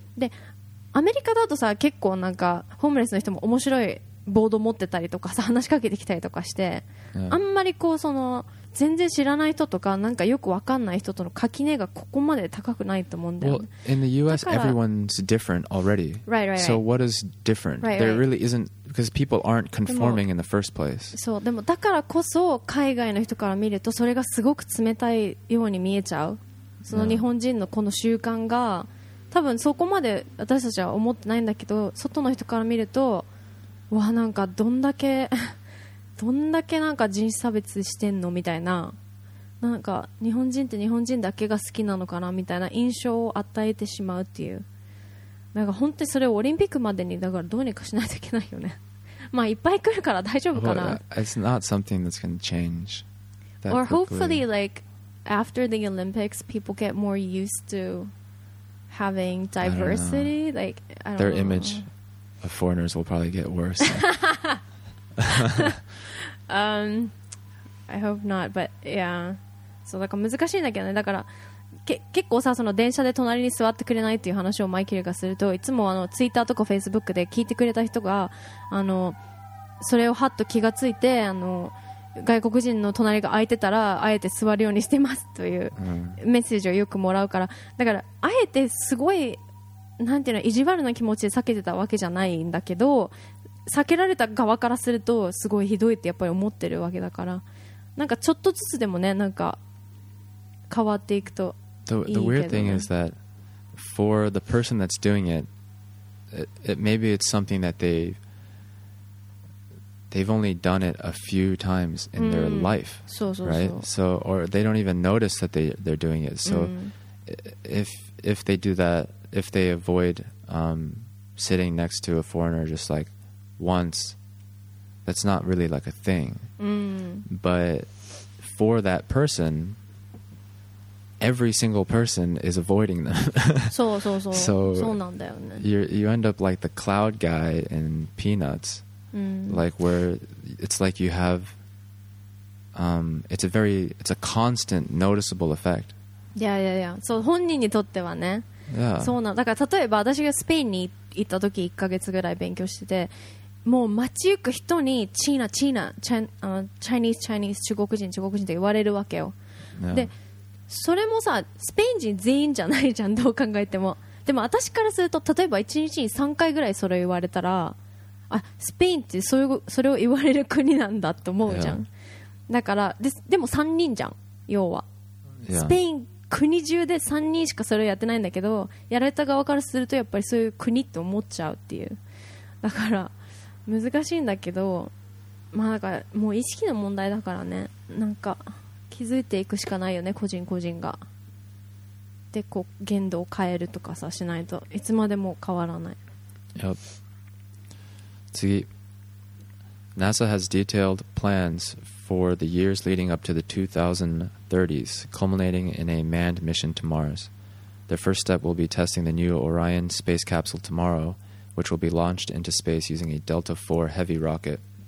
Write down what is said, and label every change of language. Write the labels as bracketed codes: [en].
[ja] で、アメリカだとさ、結構なんかホームレスの人も面白いボード持ってたりとかさ、話しかけてきたりとかして、あんまりこうその全然知らない人とか、なんかよくわかんない人との垣根がここまで高くないと思うんだよね。 [en] Well, in the US, everyone's different already. Right. So what is different? Right, right. There really isn't, because people aren't conforming in the first place. [ja] そう、でもだからこそ海外の人から見るとそれがすごく冷たいように見えちゃう。その日本人のこの習慣が、多分そこまで私たちは思ってないんだけど、外の人から見ると、わ、なんかどんだけどんだけなんか人種差別してんのみたいな、なんか日本人って日本人だけが好きなのかなみたいな印象を与えてしまうっていう、なんか本当にそれをオリンピックまでにだからどうにかしないといけないよね。まあいっぱい来るから大丈夫かな。 [en] It's not something that's going to change that quickly. Or hopefully like after the Olympics people get more used to having diversity. Like their image of foreigners will probably get worse. I hope not, but yeah. [ja] そう、だから難しいんだけどね。だから結構さ、その電車で隣に座ってくれないっていう話をマイケルがすると、いつもあのツイッターとかフェイスブックで聞いてくれた人が、あのそれをハッと気がついて、あの外国人の隣が空いてたらあえて座るようにしてますというメッセージをよくもらうから、だからあえてすごいなんていうの、意地悪な気持ちで避けてたわけじゃないんだけど、避けられた側からするとすごいひどいってやっぱり思ってるわけだから、なんかちょっとずつでもね、なんか変わっていくといいけどね。 [en] The weird thing is that for the person that's doing it, it maybe it's something that they've only done it a few times in their life. [ja] そうそうそう。 [en] Right? So, or they don't even notice that they're doing it. So, if they do that, if they avoid sitting next to a foreigner just like once, that's not really like a thing. But for that person, every single person is avoiding them. [ja] そうそうそう。 [en] So, [ja] そうなんだよね。 [en] You end up like the cloud guy in Peanuts. Like where it's like you have it's a constant noticeable effect. Yeah, yeah, yeah. [ja] So 本人にとってはね。 [en] Yeah. [ja] そうなんだから、例えば私がスペインに行った時、1ヶ月ぐらい勉強してて、もう街行く人にチーナチーナチャ、チャイニーズ中国人中国人って言われるわけよ。 [en] Yeah. [ja] で、それもさ、スペイン人全員じゃないじゃん、どう考えても。でも私からすると、例えば1日に3回ぐらいそれ言われたら、あ、スペインって それを言われる国なんだと思うじゃん。 [en] Yeah. [ja] だから でも3人じゃん、要は。 [en] Yeah. [ja] スペイン国中で3人しかそれをやってないんだけど、やられた側からするとやっぱりそういう国って思っちゃうっていう。だから難しいんだけど、まあだからもう意識の問題だからね、なんか気づいていくしかないよね、個人個人が。でこう言動を変えるとかさ、しないといつまでも変わらない。 [en] Yep. 次。 NASA has detailed plans for the years leading up to the 2030s, culminating in a manned mission to Mars. Their first step will be testing the new Orion space capsule tomorrow, which will be launched into space using a Delta IV heavy rocket.